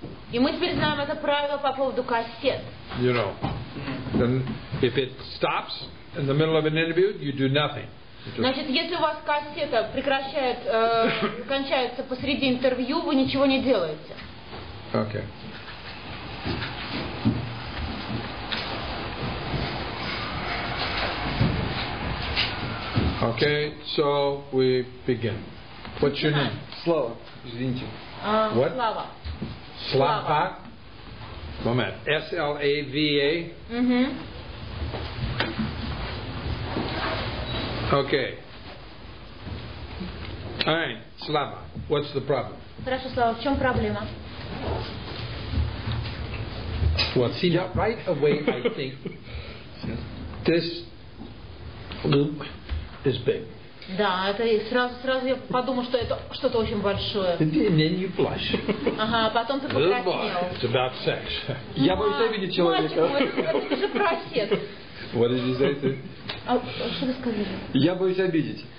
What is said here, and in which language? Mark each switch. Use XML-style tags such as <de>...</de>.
<ru>И мы теперь знаем это правило по поводу кассет.</ru> <en>You know. Then if it stops in the middle of an interview, you do nothing.</en> <ru>Значит, если у вас кассета прекращает, кончается посреди интервью, вы ничего не делаете.</ru> <en>Okay. Okay, so we begin. What's your name?</en> <ru>Слава. Извините.</ru> <en>What? Слава. Слава. Moment. S-L-A-V-A. Mm-hmm. Okay. All right, Слава. What's the problem?</en> <ru>Хорошо, Слава. В чем проблема?</ru> <en>Well, see, yeah. Right away, I think this loop is big.</en> <ru>Да, это сразу я подумал, что это что-то очень большое.</ru> <en>And then you blush.</en> <ru>Ага, потом ты покраснел.</ru> <en>Oh boy, it's about sex.</en> <ru>Я боюсь обидеть человека. Мальчик мой, это же просит.</ru> <en>What did you say to?</en> <ru>Что ты сказал? Я боюсь обидеть.</ru>